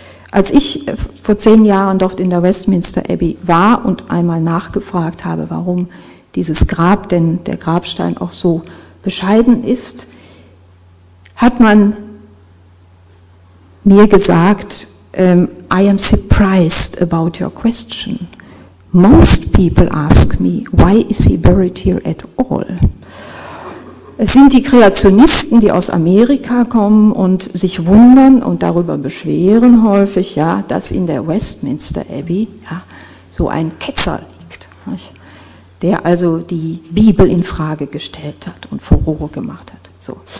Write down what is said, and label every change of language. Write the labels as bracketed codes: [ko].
[de] Als ich vor 10 Jahren dort in der Westminster Abbey war und einmal nachgefragt habe, warum dieses Grab, denn der Grabstein auch so bescheiden ist, hat man mir gesagt, [en] I am surprised about your question. Most people ask me, why is he buried here at all? [de] Es sind die Kreationisten, die aus Amerika kommen und sich wundern und darüber beschweren häufig, ja, dass in der Westminster Abbey, ja, so ein Ketzer liegt, der also die Bibel in Frage gestellt hat und Furore gemacht hat. So.